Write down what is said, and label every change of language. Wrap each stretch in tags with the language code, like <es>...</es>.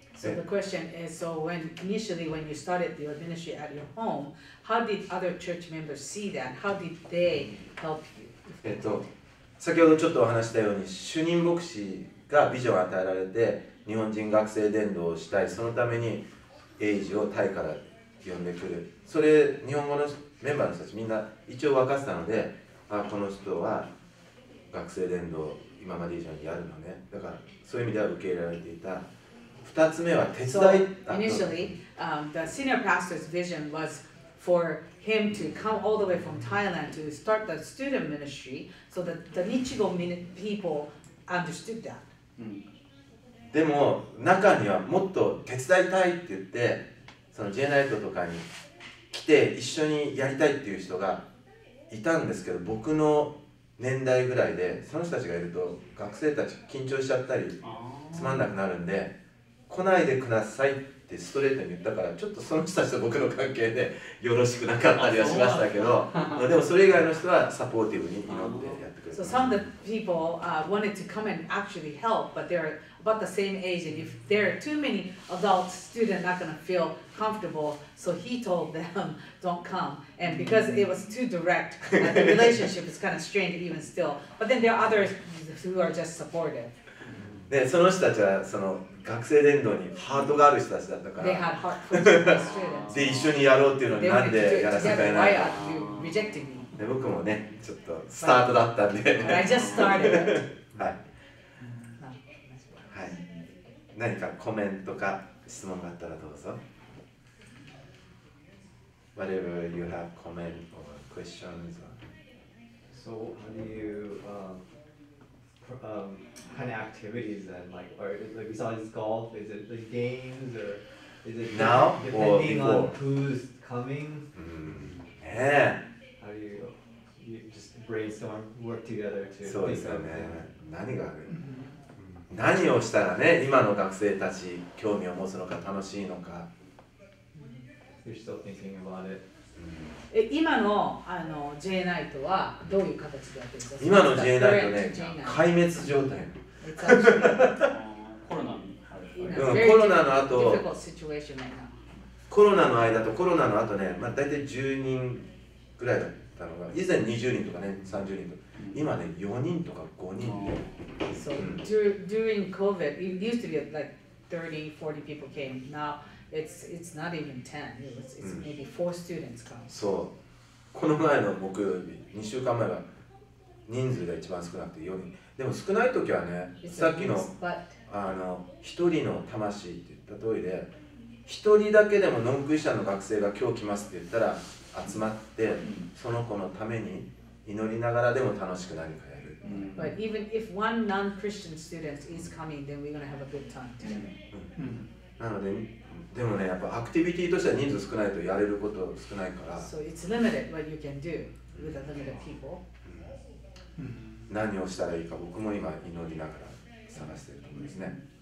<en>So the question is, so when initially when you started your ministry at your home, how did other church members see that? How did they help you?</en> <ja>先ほどちょっとお話したように主任牧師がビジョンを与えられて日本人学生伝道をしたい、そのためにエイジをタイから呼んでくる、それ日本語のメンバーの人たちみんな一応分かってたので、あこの人は学生伝道を今まで以上にやるのね、だからそういう意味では受け入れられていた。二つ目は手伝い。</ja> <en>So, initially, the senior pastor's vision was for him to come all the way from Thailand to start the student ministry so that the Nichigo people understood that.</en> <ja>でも中にはもっと手伝いたいって言って、そのJナイトとかに来て一緒にやりたいっていう人がいたんですけど、僕の年代ぐらいで、その人たちがいると学生たち緊張しちゃったりつまんなくなるんで、来ないでくださいってストレートに言ったから、ちょっとその人たちと僕の関係でよろしくなかったりはしましたけど、でもそれ以外の人はサポーティブに祈ってやってくれた。</ja> <en>So some of the people、wanted to come and actually help, but they're about the same age, and if there are too many adult students, not gonna feel comfortable, so he told them don't come. And because it was too direct, the relationship is kind of strained even still. But then there are others who are just supportive.</en> <ja>で、その人たちはその学生伝道にハートがある人たちだったから、で、一緒にやろうっていうのになんでやらせてくれないか。僕もね、ちょっとスタートだったんで。</ja> <en>I just started.</en> <ja>はい。はい。何かコメントか質問があったらどうぞ。</ja> <en>Whatever you have comment or questions. So, how do you... kind of activities then, like, or like besides golf, is it the games or is it now depending or on who's coming? Yeah. How do you just brainstorm, work together to?</en> <ja>そうですね。何がある？何をしたらね、今の学生たち興味を持つのか楽しいのか。</ja> <en>You're still thinking about it.</en> <ja>今の J ナイトはどういう形でやってるんですか？今の J ナイトね、壊滅状態の。コロナの後、コロナの後、</ja> <en>right、</en> <ja>コロナの間とコロナの後ね、まあ、大体10人ぐらいだったのが、以前20人とかね、30人とか、今ね、4人とか5人で。</ja> <en>So, during COVID, it used to be like 30, 40 people came. Now,It's not even 10. It's maybe 4 students come.</en> <ja>そう。この前の木曜日、2週間前は人数が一番少なくて4人。でも少ない時はね、さっきの1人の魂って言った通りで、1人だけでもノンクリスチャンの学生が今日来ますって言ったら集まって、その子のために祈りながらでも楽しく何かやる。</ja> <en>But even if one non-Christian student is coming, then we're gonna have a good time together.</en> <ja>なので、でもね、やっぱアクティビティとしては人数少ないとやれること少ないから。</ja> <en>So it's limited what you can do with a limited people.</en> <ja>何をしたらいいか僕も今祈りながら探してると思うんですね。</ja>